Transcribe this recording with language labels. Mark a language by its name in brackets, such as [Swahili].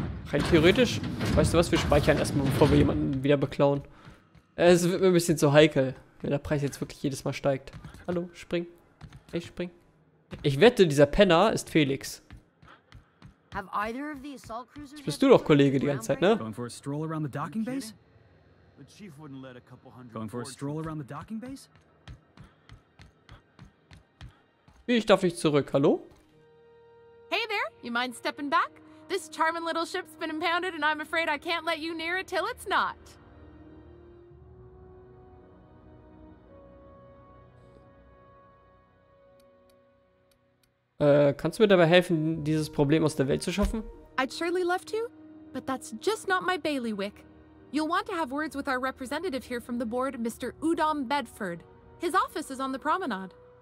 [German] Rein theoretisch. Weißt du was? Wir speichern erstmal, bevor wir jemanden wieder beklauen. Es wird mir ein bisschen zu heikel, wenn der Preis jetzt wirklich jedes Mal steigt. Hallo, spring. Hey, spring. Ich wette, dieser Penner ist Felix. Das bist du doch, Kollege, die ganze Zeit, ne? [English] Going for a stroll around the docking base? The chief wouldn't let a couple hundred. Going for a stroll around the docking base? [German] Wie, ich darf nicht zurück, hallo? [English] Hey there, you mind stepping back? This charming little ship's been impounded and I'm afraid I can't let you near it till it's not. [German] Kannst du mir dabei helfen, dieses Problem aus der Welt zu schaffen? [English] I'd surely love to, but that's just not my bailiwick. You'll want to have words with our representative here from the board, Mr. Udom Bedford. His office is on the promenade.